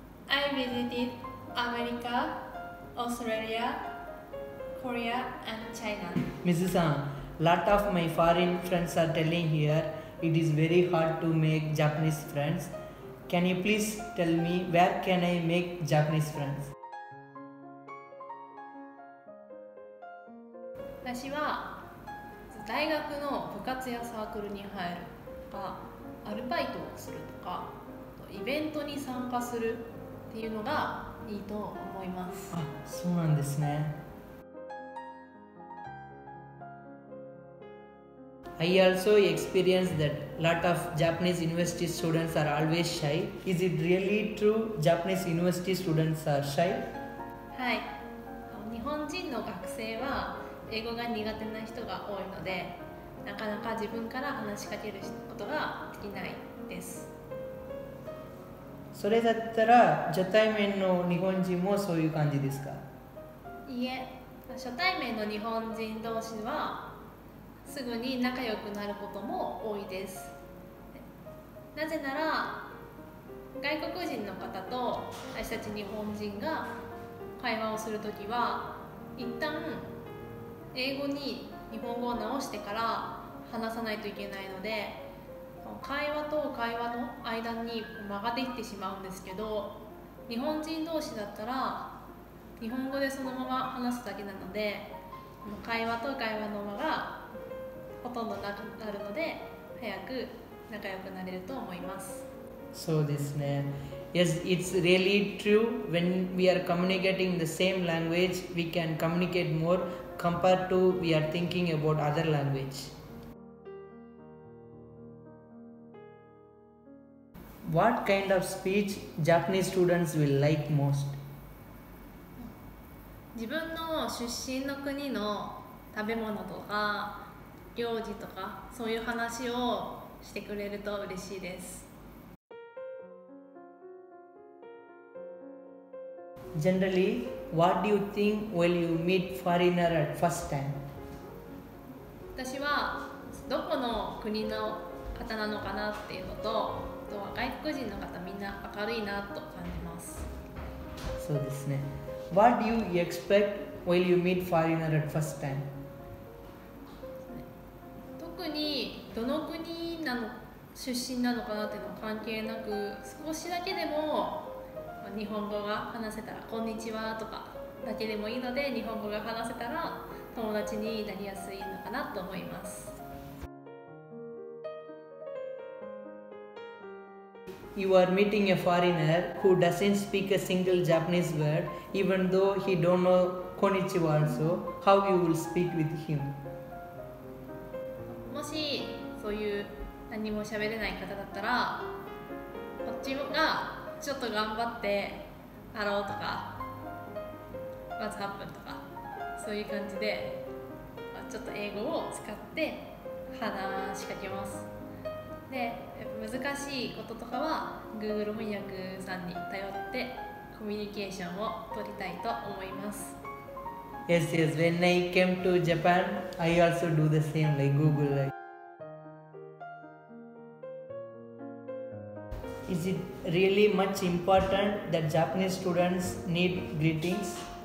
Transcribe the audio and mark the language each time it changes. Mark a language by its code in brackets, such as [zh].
[en] I visited America, Australia, Korea, and China. Mrs. Han, lot of my foreign friends are telling here it is very hard to make Japanese friends. Can you please tell me where can I make Japanese friends? [ja] 私は大学の部活やサークルに入るとか、アルバイトをするとか、イベントに参加するっていうのがいいと思います。あ、そうなんですね。 [en] I also experienced that lot of Japanese university students are always shy. Is it really true Japanese university students are shy? [ja] はい。日本人の学生は英語が苦手な人が多いので、なかなか自分から話しかけることができないです。それだったら初対面の日本人もそういう感じですか？いいえ、初対面の日本人同士はすぐに仲良くなることも多いです。なぜなら外国人の方と私たち日本人が会話をするときは一旦英語に日本語を直してから話さないといけないので会話と会話の間に間ができてしまうんですけど日本人同士だったら日本語でそのまま話すだけなので会話と会話の間がほとんどなくなるので早く仲良くなれると思います。そうですね。 [en] Yes, it's really true. When we are communicating the same language, we can communicate more compared to we are thinking about other language. What kind of speech Japanese students will like most? [ja] 自分の出身の国の食べ物とか行事とかそういう話をしてくれると嬉しいです。 [en] Generally, what do you think when you meet foreigner at first time? [ja] 私はどこの国の方なのかなっていうのと、あとは外国人の方みんな明るいなと感じます。そうですね。 [en] What do you expect when you meet foreigner at first time? [ja] 特にどの国なの出身なのかなっていうのは関係なく、少しだけでも日本語が話せたらこんにちはとかだけでもいいので日本語が話せたら友達になりやすいのかなと思います。 [en] You are meeting a foreigner who doesn't speak a single Japanese word even though he don't know konnichiwa also. How you will speak with him? [ja] もしそういう何も喋れない方だったらこっちがちょっと頑張ってハローとか [en] What's up [ja] とかそういう感じでちょっと英語を使って話しかけます。で、やっぱ難しいこととかは Google 翻訳さんに頼ってコミュニケーションを取りたいと思います。 [en] Yes, yes, when I came to Japan, I also do the same like Google like. Is it really much important that Japanese students need greetings?